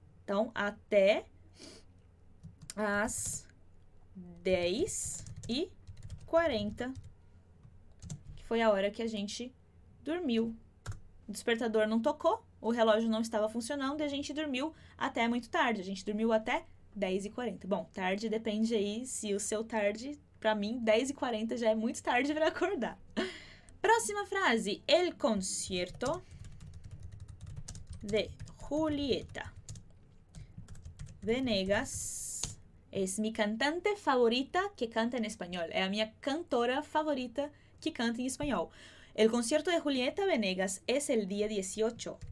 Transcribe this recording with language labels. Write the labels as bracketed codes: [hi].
[pt] Então, até as 10 e 40, que foi a hora que a gente dormiu. O despertador não tocou. O relógio não estava funcionando e a gente dormiu até muito tarde. A gente dormiu até 10h40. Bom, tarde depende aí se o seu tarde, para mim, 10h40 já é muito tarde para acordar. Próxima frase. [es] El concierto de Julieta Venegas es mi cantante favorita que canta en español. [pt] É a minha cantora favorita que canta em espanhol. [es] El concierto de Julieta Venegas es el día 18.